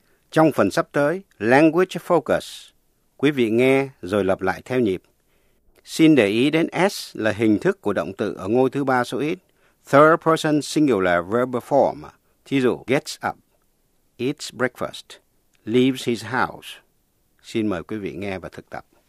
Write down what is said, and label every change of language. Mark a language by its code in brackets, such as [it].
[vi] Trong phần sắp tới, Language Focus. Quý vị nghe rồi lặp lại theo nhịp. Xin để ý đến S là hình thức của động từ ở ngôi thứ ba số ít. [en] Third person singular verb form. [vi] Thí dụ, [en] gets up, eats breakfast, leaves his house. [vi] Xin mời quý vị nghe và thực tập.